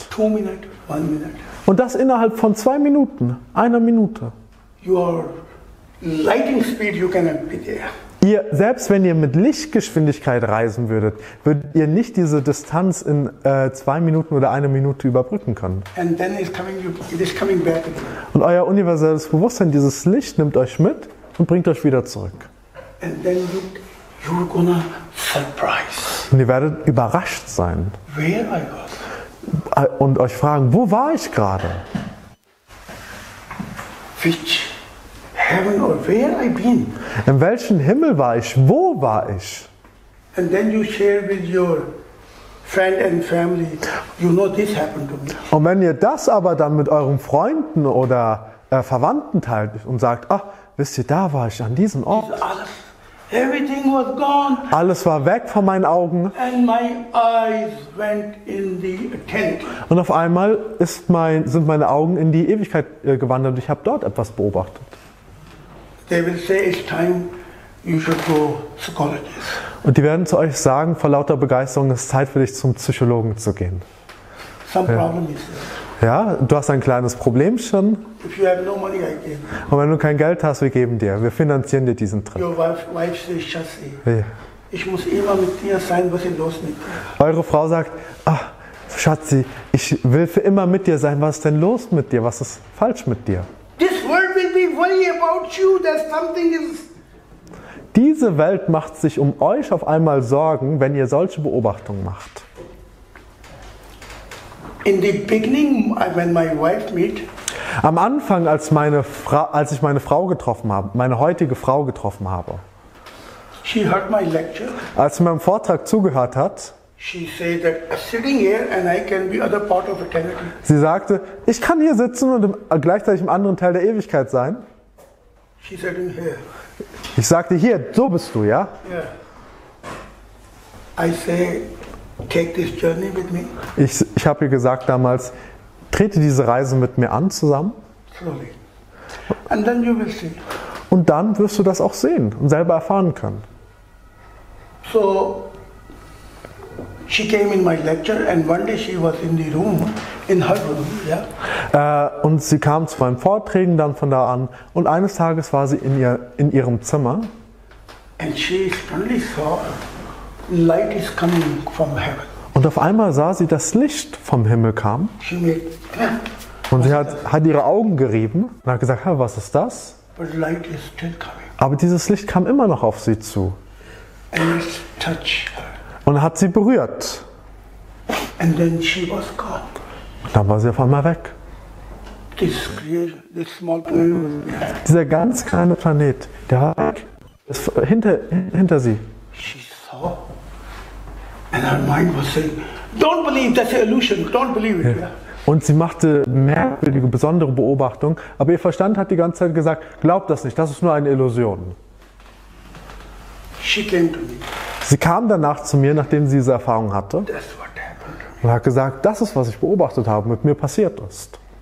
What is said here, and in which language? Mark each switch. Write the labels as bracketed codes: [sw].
[de] 2 Minuten, 1 Minute. Und das innerhalb von 2 Minuten, einer Minute. [en] Your lighting speed, you cannot be there. [de] Ihr, selbst wenn ihr mit Lichtgeschwindigkeit reisen würdet, würdet ihr nicht diese Distanz in 2 Minuten oder 1 Minute überbrücken können. [en] And then it's coming, it is coming back. [de] Und euer universelles Bewusstsein, dieses Licht, nimmt euch mit und bringt euch wieder zurück. [en] And then you, you're gonna surprise. [de] Und ihr werdet überrascht sein. [en] Where I was. [de] Und euch fragen, wo war ich gerade? [en] Which heaven or where I been? [de] In welchem Himmel war ich? Wo war ich? [en] And then you share with your friend and family, you know this happened to me. [de] Und wenn ihr das aber dann mit euren Freunden oder Verwandten teilt und sagt, ach, wisst ihr, da war ich an diesem Ort. [en] Everything was gone. [de] Alles war weg von meinen Augen. [en] And my eyes went in the tent. [de] Und auf einmal ist mein, sind meine Augen in die Ewigkeit gewandert und ich habe dort etwas beobachtet. [en] They will say it's time you should go psychologist. [de] Und die werden zu euch sagen, vor lauter Begeisterung, es ist Zeit für dich zum Psychologen zu gehen. [en] Some problem is [de] ja, du hast ein kleines Problem schon. [en] If you have no money, I give. [de] Und wenn du kein Geld hast, wir geben dir. Wir finanzieren dir diesen Trip. [en] Your wife says, Schatzi, yeah. [de] Ich muss immer mit dir sein, was ist los mit dir? Eure Frau sagt, ach, Schatzi, ich will für immer mit dir sein. Was ist denn los mit dir? Was ist falsch mit dir? [en] This world will be worried about you that something is. [de] Diese Welt macht sich um euch auf einmal Sorgen, wenn ihr solche Beobachtungen macht. [en] In the beginning, when my wife meet. [de] Am Anfang, als meine Frau, als ich meine Frau getroffen habe, meine heutige Frau getroffen habe. [en] She heard my lecture. [de] Als sie meinem Vortrag zugehört hat. [en] She said that sitting here and I can be other part of eternity. [de] Sie sagte, ich kann hier sitzen und gleichzeitig im anderen Teil der Ewigkeit sein. [en] She said in here. [de] Ich sagte hier, so bist du, ja? [en] Yeah. I say. Take this journey with me. [de] Ich habe ihr gesagt damals, trete diese Reise mit mir an zusammen. [en] Slowly. And then you will see. [de] Und dann wirst du das auch sehen und selber erfahren können. [en] So, she came in my lecture and one day she was in the room, in her room, yeah. [de] Und sie kam zu meinen Vorträgen dann von da an und eines Tages war sie in ihr in ihrem Zimmer. [en] And she suddenly saw. Light is coming from heaven. [de] Und auf einmal sah sie, dass Licht vom Himmel kam. [en] She made, ja. [de] Und sie hat ihre Augen gerieben und hat gesagt, was ist das? [en] But light is still coming. [de] Aber dieses Licht kam immer noch auf sie zu. [en] And it touched her. [de] Und hat sie berührt. [en] And then she was gone. [de] Und dann war sie auf einmal weg. [en] This small planet. [de] Dieser ganz kleine Planet, der war weg. Ist hinter sie. [en] She saw. And her mind was saying, don't believe that's an illusion, don't believe it. Yeah. [de] Und sie machte merkwürdige, besondere Beobachtung, aber ihr Verstand hat die ganze Zeit gesagt, glaub das nicht, das ist nur eine Illusion. [en] She came to me. [de] Sie kam danach zu mir, nachdem sie diese Erfahrung hatte. [en] That's what happened to me. [de] Und hat gesagt, das ist, was ich beobachtet habe, mit mir passiert ist.